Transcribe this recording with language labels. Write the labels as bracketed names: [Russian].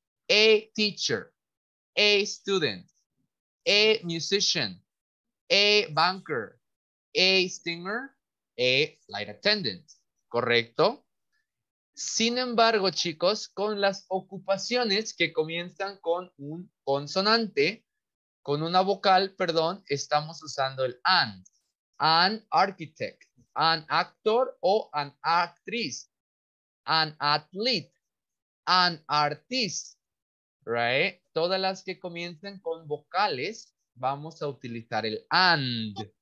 [English] A teacher, a student, a musician, a banker, a singer, a flight attendant. [Spanish] ¿Correcto? Sin embargo, chicos, con las ocupaciones que comienzan con un consonante, con una vocal, perdón, estamos usando el and. [English] An architect, an actor o an actriz. An athlete, an artist, right? [Spanish] Todas las que comienzan con vocales, vamos a utilizar el and.